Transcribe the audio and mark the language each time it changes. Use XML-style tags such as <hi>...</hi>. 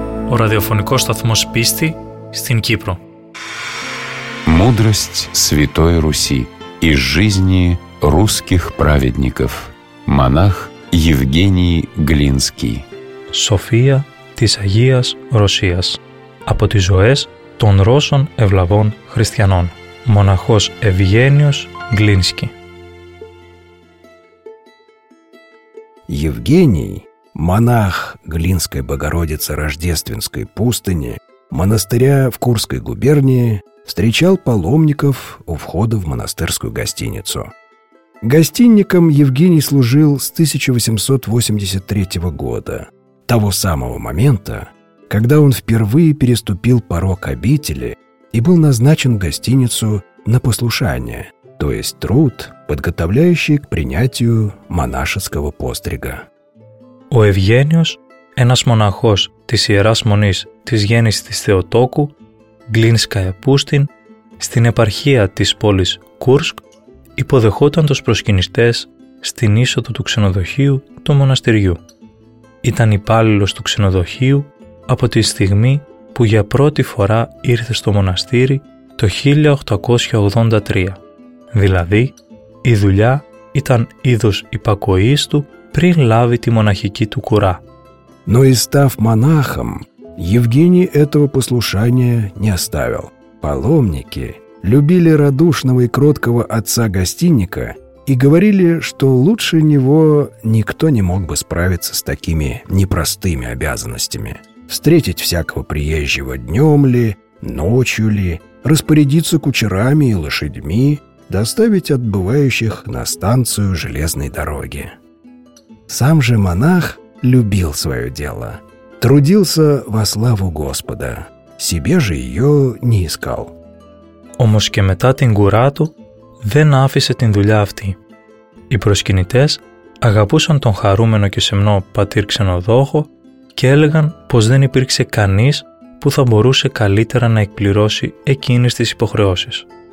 <el>О радиофонικό сταθμό πίστη στην Кύπρο.</el> <ru>Мудрость Святой Руси из жизни русских праведников. Монах Евгений Глинский.</ru> <el>София της Αγίας Ρωσίας. Από τις ζωές των Ρώσων Ευλαβών Χριστιανών. Μοναχός Ευγένιος Γκλίνσκι.</el> <ru>Евгений, монах Глинской Богородицы Рождественской пустыни, монастыря в Курской губернии, встречал паломников у входа в монастырскую гостиницу. Гостинником Евгений служил с 1883 года, того самого момента, когда он впервые переступил порог обители и был назначен в гостиницу на послушание, то есть труд, подготавливающий к принятию монашеского пострига.</ru> <el>Ο Ευγένιος, ένας μοναχός της Ιεράς Μονής της Γέννησης της Θεοτόκου, Γκλίνσκαια Πούστιν, στην επαρχία της πόλης Κούρσκ, υποδεχόταν τους προσκυνηστές στην είσοδο του ξενοδοχείου του μοναστηριού. Ήταν υπάλληλος του ξενοδοχείου από τη στιγμή που για πρώτη φορά ήρθε στο μοναστήρι το 1883. Δηλαδή, η δουλειά ήταν είδος υπακοής του πριν λάβει τη μοναχική του κουρά.</el> <ru>Но и став монахом, Евгений этого послушания не оставил. Паломники любили радушного и кроткого отца-гостинника и говорили, что лучше него никто не мог бы справиться с такими непростыми обязанностями. Встретить всякого приезжего днем ли, ночью ли, распорядиться кучерами и лошадьми, доставить отбывающих на станцию железной дороги. Сам же монах любил свое дело, трудился во славу Господа, себе же ее не искал.</ru> <el>Όμως και μετά την κουρά του δεν άφησε την δουλειά αυτή. Οι προσκυνητές αγαπούσαν τον χαρούμενο και σεμνό πατήρ ξενοδόχο και έλεγαν πως δεν υπήρξε κανείς που θα μπορούσε καλύτερα να εκπληρώσει εκείνες τις υποχρεώσεις.</el>